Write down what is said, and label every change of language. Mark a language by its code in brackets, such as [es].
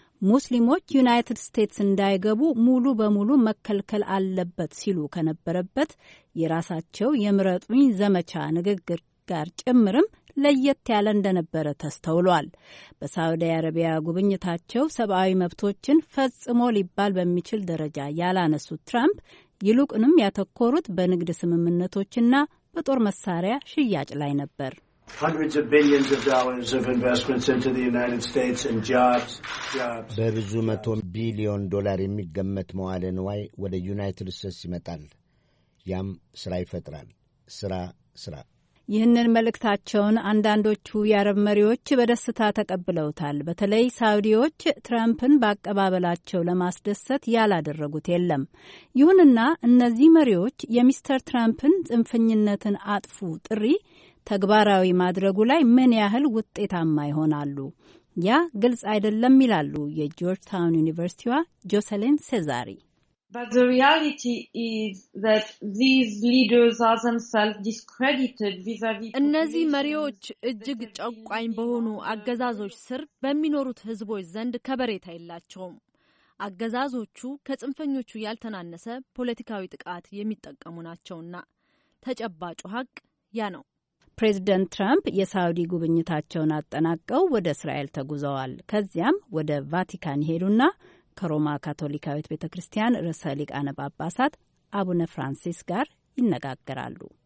[am] ሙስሊሞች ዩናይትድ ስቴትስ እንዳይገቡ ሙሉ በሙሉ መከልከል አለበት ሲሉ ከነበረበት የራሳቸው የምረጡኝ ዘመቻ ንግግር ጋር ጭምርም ለየት ያለ እንደነበረ ተስተውሏል። በሳውዲ አረቢያ ጉብኝታቸው ሰብአዊ መብቶችን ፈጽሞ ሊባል በሚችል ደረጃ ያላነሱት ትራምፕ ይልቁንም ያተኮሩት በንግድ ስምምነቶችና በጦር መሳሪያ ሽያጭ ላይ ነበር። [en] Hundreds of billions of dollars of investments into the United States and jobs. [am] በብዙ መቶ ቢሊዮን ዶላር የሚገመት መዋለ ንዋይ ወደ ዩናይትድ ስቴትስ ይመጣል። ያም ስራ ይፈጥራል። ስራ። ይህንን መልእክታቸውን አንዳንዶቹ የአረብ መሪዎች በደስታ ተቀብለውታል። በተለይ ሳውዲዎች ትራምፕን በአቀባበላቸው ለማስደሰት ያላደረጉት የለም። ይሁንና እነዚህ መሪዎች የሚስተር ትራምፕን ጽንፈኝነትን አጥፉ ጥሪ ተግባራዊ ማድረጉ ላይ ምን ያህል ውጤታማ ይሆናሉ? ያ ግልጽ አይደለም ይላሉ የጆርጅ ታውን ዩኒቨርሲቲዋ ጆሴሊን ሴዛሪ። [en] But the reality is that these leaders are themselves discredited vis-a-vis [am] እነዚ መሪዎች እጅግ ጨቋኝ በሆኑ አገዛዞች ስር በሚኖሩት ህዝቦች ዘንድ ከበሬታ የላቸውም። አገዛዞቹ ከጽንፈኞቹ ያልተናነሰ ፖለቲካዊ ጥቃት የሚጠቀሙ ናቸውና ተጨባጭ ሀቅ ያ ነው። ፕሬዝደንት ትራምፕ የሳውዲ ጉብኝታቸውን አጠናቀው ወደ እስራኤል ተጉዘዋል። ከዚያም ወደ ቫቲካን ሄዱና ከሮማ ካቶሊካዊት ቤተክርስቲያን ርዕሰ ሊቃነ ጳጳሳት አቡነ ፍራንሲስ ጋር ይነጋገራሉ።